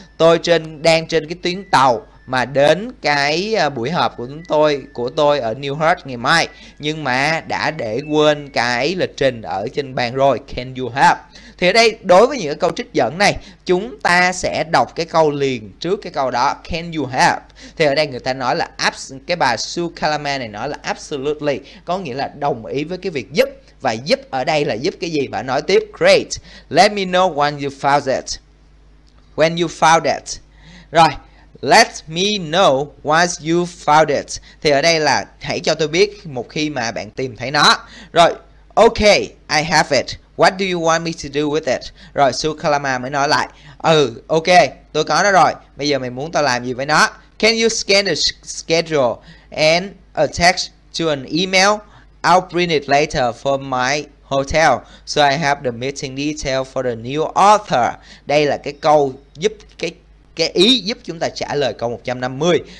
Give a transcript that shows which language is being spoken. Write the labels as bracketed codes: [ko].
[vi] Tôi đang trên cái tuyến tàu mà đến cái buổi họp của tôi ở New Hurst ngày mai, nhưng mà đã để quên cái lịch trình ở trên bàn rồi. [en] Can you help? [vi] Thì ở đây đối với những cái câu trích dẫn này, chúng ta sẽ đọc cái câu liền trước cái câu đó, [en] can you help. [vi] Thì ở đây người ta nói là cái bà Sue Calama này nói là absolutely, có nghĩa là đồng ý với cái việc giúp. Và giúp ở đây là giúp cái gì? Bà nói tiếp, [en] great, let me know when you found it. When you found it. Rồi, let me know once you found it. [vi] Thì ở đây là hãy cho tôi biết một khi mà bạn tìm thấy nó. [en] Rồi, ok, I have it. What do you want me to do with it? [vi] Rồi, Sue Kalama mới nói lại. Ừ, ok, tôi có nó rồi. Bây giờ mày muốn tao làm gì với nó? [en] Can you scan the schedule and attach to an email? I'll print it later for my hotel, so I have the meeting detail for the new author. [vi] Đây là cái câu giúp cái ý giúp chúng ta trả lời câu 150.